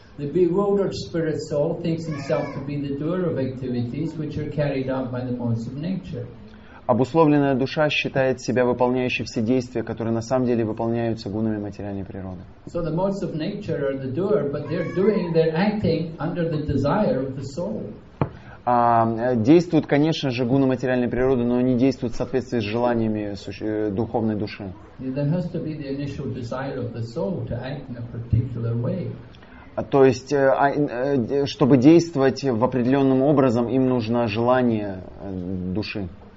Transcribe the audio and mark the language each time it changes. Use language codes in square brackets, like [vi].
[en] The bewildered spirit soul thinks himself to be the doer of activities which are carried out by the modes of nature. [ru] Обусловленная душа считает себя выполняющей все действия, которые на самом деле выполняются гунами материальной природы. [en] So the modes of nature are the doer, but they're acting under the desire of the soul. [ru] Действуют, конечно же, гуны материальной природы, но они действуют в соответствии с желаниями духовной души. То есть, чтобы действовать в определенном образом, им нужно желание души.